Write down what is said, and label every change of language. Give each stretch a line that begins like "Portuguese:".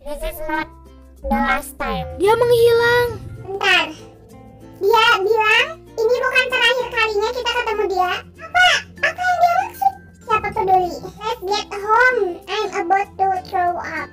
English: This is not the last time.
Indonesian: Dia menghilang. Bentar. Dia bilang, ini bukan terakhir kalinya kita ketemu dia. Apa? Apa yang dia maksud? Siapa peduli?
English: Let's get home, I'm about to throw up.